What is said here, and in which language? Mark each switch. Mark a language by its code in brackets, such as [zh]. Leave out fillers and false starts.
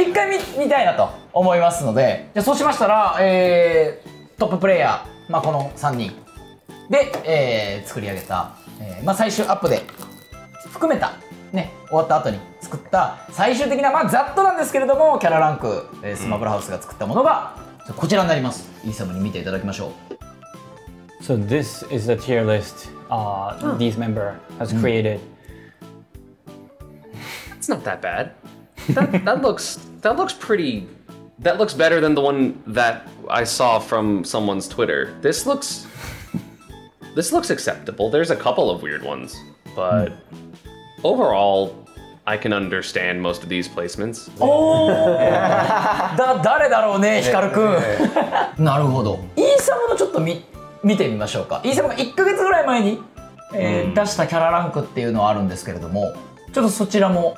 [ja] 一回 見たいなと思いますので、じゃあそうしましたら、トッププレイヤー、まあ、この3人で、作り上げた、まあ、最終アップで含めた、ね、終わった後に作った最終的な、まあ、ざっとなんですけれどもキャラランク、スマブラハウスが作ったものが、うん、こちらになります。イーサムに見ていただきましょう。 [en] So this is the tier list these member has created、うん、 It's not that bad. That looks pretty That looks better than the one that I saw from someone's Twitter. This looks acceptable. There's a couple of weird ones, but overall, I can understand most of these placements. Oh, that [ja] 誰だろうね、ヒカル君。なるほど。イーサムのちょっと見てみましょうか。イーサムが1ヶ月ぐらい前に、出したキャラランクっていうのはあるんですけれども、ちょっとそちらも。